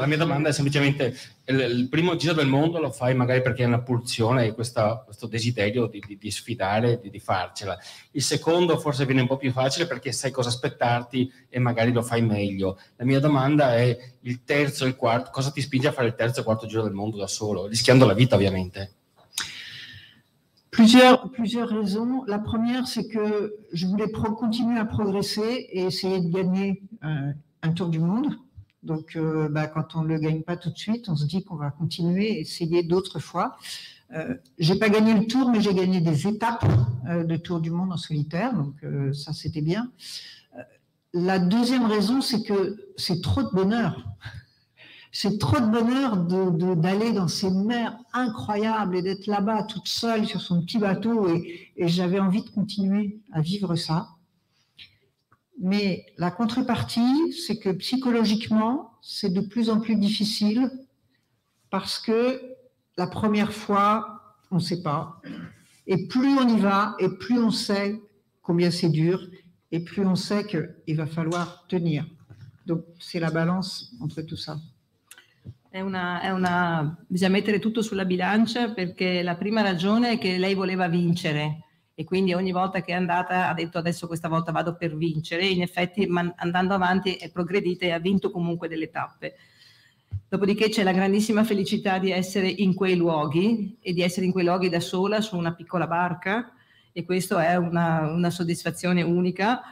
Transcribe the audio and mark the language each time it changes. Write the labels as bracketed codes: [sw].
[it] La mia domanda è semplicemente: il primo giro del mondo lo fai magari perché hai una pulsione e questo desiderio di sfidare, di farcela. Il secondo forse viene un po' più facile perché sai cosa aspettarti e magari lo fai meglio. La mia domanda è: il terzo e il quarto, cosa ti spinge a fare il terzo e quarto giro del mondo da solo, rischiando la vita ovviamente? [fr] Plusieurs raisons. La première, c'est que je voulais continuer à progresser et essayer de gagner un tour du monde. Donc, quand on ne le gagne pas tout de suite, on se dit qu'on va continuer et essayer d'autres fois. Je n'ai pas gagné le tour, mais j'ai gagné des étapes de tour du monde en solitaire. Donc, ça, c'était bien. La deuxième raison, c'est que c'est trop de bonheur. C'est trop de bonheur d'aller dans ces mers incroyables et d'être là-bas toute seule sur son petit bateau et j'avais envie de continuer à vivre ça. Mais la contrepartie, c'est que psychologiquement, c'est de plus en plus difficile parce que la première fois, on ne sait pas. Et plus on y va et plus on sait combien c'est dur et plus on sait qu'il va falloir tenir. Donc, c'est la balance entre tout ça. [it] È una bisogna mettere tutto sulla bilancia perché la prima ragione è che lei voleva vincere e quindi ogni volta che è andata ha detto adesso questa volta vado per vincere e in effetti andando avanti è progredita e ha vinto comunque delle tappe. Dopodiché c'è la grandissima felicità di essere in quei luoghi e di essere in quei luoghi da sola su una piccola barca e questo è una soddisfazione unica.